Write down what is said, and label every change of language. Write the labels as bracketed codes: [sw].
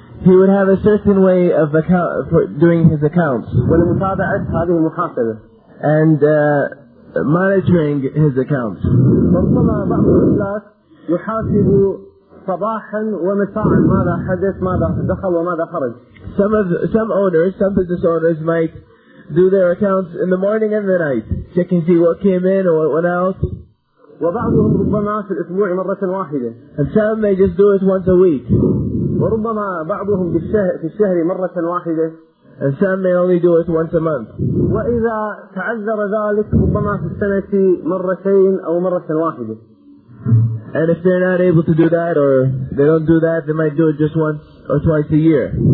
[en] He would have a certain way of account for doing his accounts. [ar] ولمتابعة هذه المحاسبة. [en] And monitoring his accounts. [ar] ربما بعض الناس يحاسب صباحا ومساء ماذا حدث, ماذا دخل وماذا خرج. [en] Some business owners might do their accounts in the morning and the night, checking to see what came in or what went out. [ar] وبعضهم ربما في الأسبوع مرة واحدة. [en] And some may just do it once a week. [ar] وربما بعضهم في الشهر مرة واحدة. [en] And some may only do it once a month. [ar] وإذا تعذر ذلك ربما في السنة مرتين أو مرة واحدة. [en] And if they're not able to do that or they don't do that, they might do it just once or twice a year.